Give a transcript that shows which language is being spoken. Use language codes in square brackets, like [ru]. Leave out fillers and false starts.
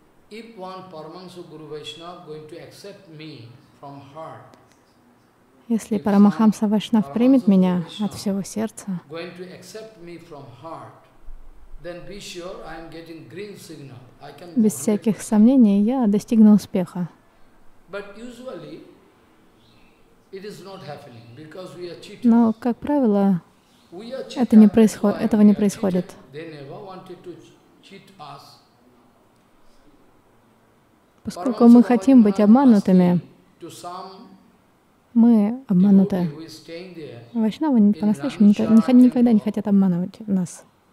[en] If one Paramahamsa Guru Vaishnav going to accept me from heart, [ru] если Парамахамса Вайшнав примет меня от всего сердца, [en] going to accept me from heart, then be sure I am getting green signal. I can. [ru] Без всяких сомнений я достигну успеха. [en] But usually it is not happening because we are cheating. [ru] Но как правило, это не происходит, этого не происходит. [en] They never wanted to cheat us. [ru] Поскольку мы хотим быть обманутыми, мы обмануты. Вайшнавы по-настоящему никогда не хотят обманывать нас.